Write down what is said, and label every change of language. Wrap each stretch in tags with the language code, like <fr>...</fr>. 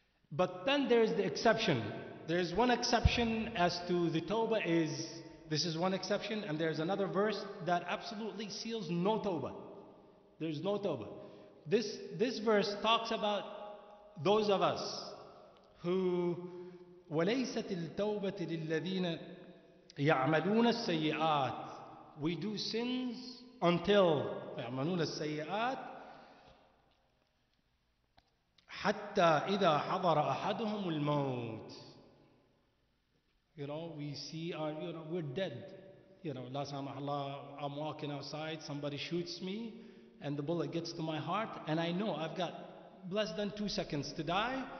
<en>But then there is the exception. There is one exception as to the tawbah is, this is one exception, and there is another verse that absolutely seals no tawbah. There is no tawbah. This verse talks about those of us who...</en> <ar>وليست التوبة للذين يعملون السيئات.</ar> <en>We do sins until</en> <ar>يعملون السيئات حتى إذا حضر أحدهم الموت.</ar> <en>You know, we see our, you know, we're dead. You know,</en> <ar>لا سمح الله,</ar> <en>I'm walking outside, somebody shoots me and the bullet gets to my heart and I know I've got less than 2 seconds to die.</en>